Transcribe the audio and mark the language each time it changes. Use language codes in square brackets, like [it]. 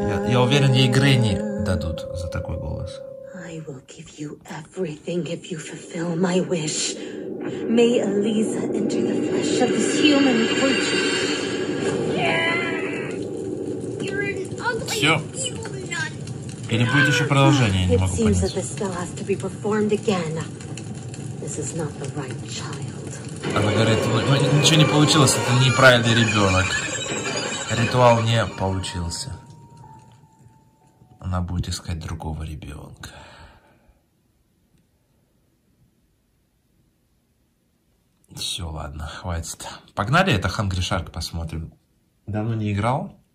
[ru] Я уверен, ей Грэнни дадут за такой голос. [en] I will give you everything if you fulfill my wish. May Elisa enter the flesh of this human creature. Yeah. You're an ugly evil nun. It seems понять. That this spell has to be performed again. This is not the right child. [ru] Она говорит, ну, ничего не получилось, это неправильный ребенок. Ритуал не получился. Она будет искать другого ребенка. Все, ладно, хватит. Погнали, это Hungry Shark посмотрим. Давно не играл.